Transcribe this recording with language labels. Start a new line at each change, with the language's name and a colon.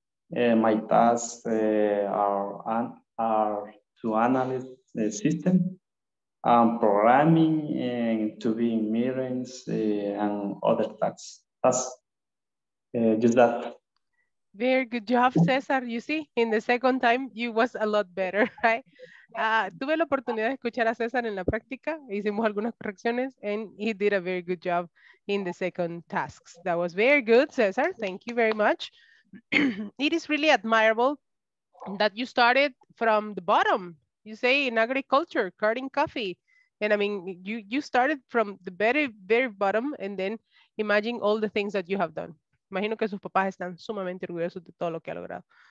English: My tasks are to analyze the system, programming, and to be in meetings and other tasks. Just that. Very good job, Cesar. You see, in the second time, you was a lot better, right?
Spanish: Tuve la oportunidad de escuchar a Cesar en la práctica. Hicimos algunas correcciones
English: and he did a very good job in the second tasks. That was very good, Cesar. Thank you very much. It is really admirable that you started from the bottom. You say in agriculture, carting coffee. And I mean, you started from the very, very bottom and then imagine all the things that you have done.
Spanish: Imagino que sus papás están sumamente orgullosos de todo lo que ha logrado.